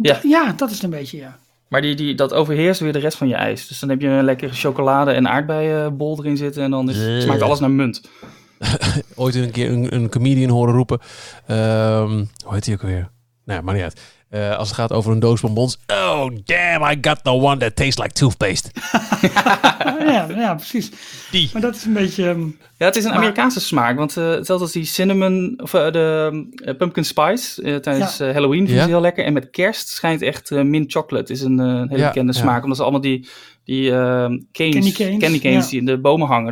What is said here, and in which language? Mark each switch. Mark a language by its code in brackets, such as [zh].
[nl] Ja, dat is het een beetje, ja. Maar dat overheerst weer de rest van je ijs. Dus dan heb je een lekkere chocolade- en aardbeienbol erin zitten. En dan smaakt alles naar munt. Ooit een keer een comedian horen roepen. Hoe heet die ook weer? Nou ja, maar niet uit. Als het gaat over een doos bonbons. [en] Oh, damn, I got the one that tastes like toothpaste. [nl] ja, precies. Die. Maar dat is een beetje... het is een Amerikaanse smaak. Want hetzelfde als die cinnamon, of de pumpkin spice tijdens Halloween. Vind je heel lekker. En met kerst schijnt echt mint chocolate. Is een hele bekende smaak. Omdat ze allemaal die candy canes die in de bomen hangen.